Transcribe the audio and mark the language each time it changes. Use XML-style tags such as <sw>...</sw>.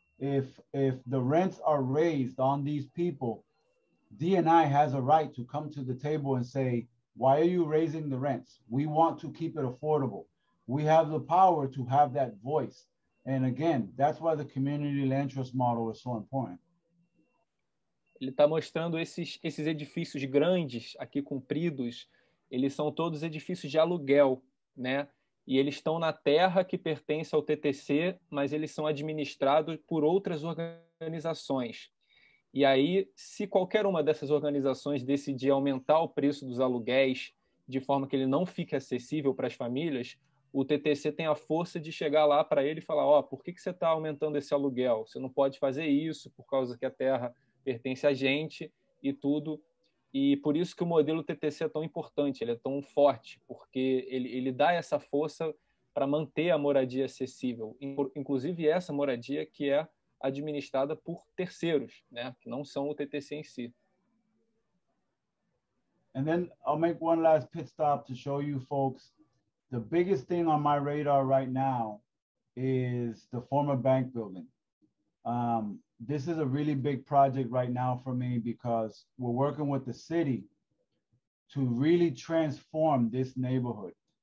<en>If the rents are raised on these people, DNI has a right to come to the table and say, why are you raising the rents? We want to keep it affordable. We have the power to have that voice. And again, that's why the community land trust model is so important.</en> <pt>Ele está mostrando esses edifícios grandes aqui compridos. Eles são todos edifícios de aluguel, né? E eles estão na terra que pertence ao TTC, mas eles são administrados por outras organizações. E aí, se qualquer uma dessas organizações decidir aumentar o preço dos aluguéis de forma que ele não fique acessível para as famílias, o TTC tem a força de chegar lá para ele e falar, ó, por que que você está aumentando esse aluguel? Você não pode fazer isso por causa que a terra pertence a gente e tudo. E por isso que o modelo TTC é tão importante, ele é tão forte, porque ele dá essa força para manter a moradia acessível, inclusive essa moradia que é administrada por terceiros, né, que não são o TTC em si.</pt> <en>And then I'll make one last pit stop to show you folks the biggest thing on my radar right now is the former bank building. This is a really big project right now for me because we're working with the city to really transform this neighborhood.</en>